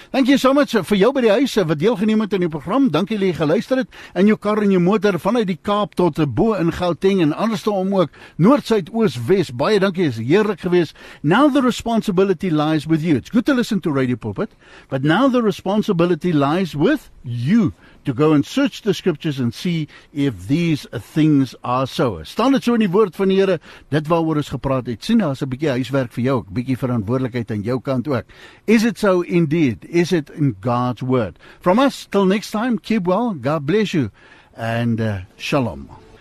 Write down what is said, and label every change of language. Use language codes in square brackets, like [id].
[en] Thank you so much for [af] jou by die huis wat deelgeneem het aan die program. Dankie dat jy geluister het in jou kar en jou motor vanuit die Kaap tot bo in Gauteng en anderste om ook noord, suid, oos, wes. Baie dankie, is heerlik geweest. [en] Now the responsibility lies with you. It's good to listen to Radio Pulpit, but now the responsibility lies with you. To go and search the scriptures and see if these things are so. [af] Staan dit so in die woord van die Here, dit waaroor ons gepraat het. Sien, daar's 'n bietjie huiswerk vir jou, 'n bietjie verantwoordelikheid aan jou kant ook. [en] Is it so indeed? Is it in God's word? From us till next time, keep well, God bless you, and shalom.